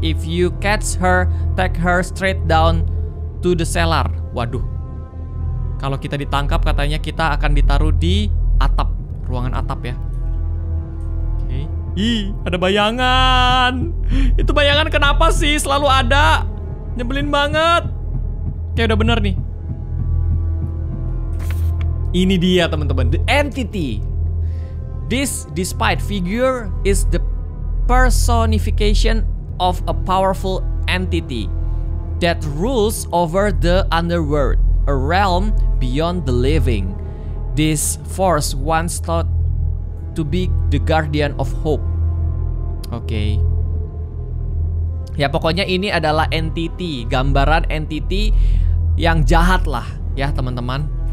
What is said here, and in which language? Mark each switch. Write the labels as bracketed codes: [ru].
[en] If you catch her, take her straight down to the cellar. [id] Waduh. Kalau kita ditangkap, katanya kita akan ditaruh di atap. Ruangan atap ya. Oke. Ada bayangan. Itu bayangan kenapa sih selalu ada? Nyebelin banget. Oke, udah bener nih. Ini dia teman-teman, the entity. [en] This despite figure is the personification of a powerful entity that rules over the underworld, a realm beyond the living. This force once thought to be the guardian of hope. Oke. Okay. [id] Ya pokoknya ini adalah entity, gambaran entity yang jahat lah ya teman-teman.